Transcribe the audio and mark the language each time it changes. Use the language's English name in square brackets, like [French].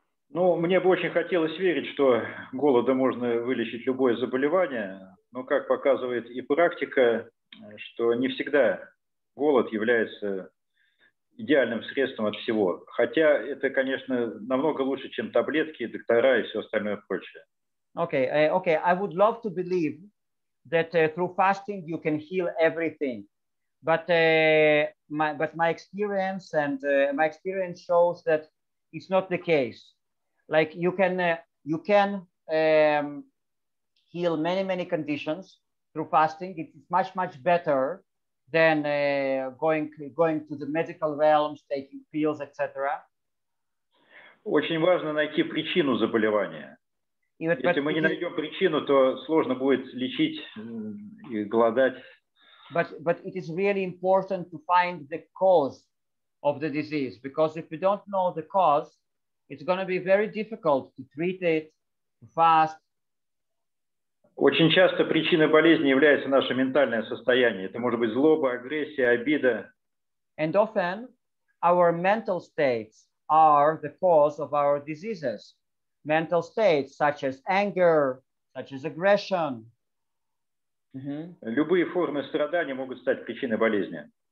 [Russian] Ну, мне бы очень хотелось верить, что голодом можно вылечить любое заболевание, но как показывает и практика, что не всегда голод является идеальным средством от всего. Хотя это, конечно, намного лучше, чем таблетки, доктора и все остальное прочее. [English] Okay. I would love to believe that through fasting you can heal everything, but my experience shows that it's not the case. Like you can heal many conditions through fasting. It's much better than going to the medical realms, taking pills, etc. [Russian] Очень важно найти причину заболевания. Если мы не найдем причину, то сложно будет лечить и голодать. [English] But it is really important to find the cause of the disease, because if we don't know the cause, it's going to be very difficult to treat it, to fast. [Russian] Очень часто причиной болезни является наше ментальное состояние. Это может быть злоба, агрессия, обида. [English] And often our mental states are the cause of our diseases. Mental states, such as anger, such as aggression. [Russian] Любые формы страдания могут стать причиной болезни.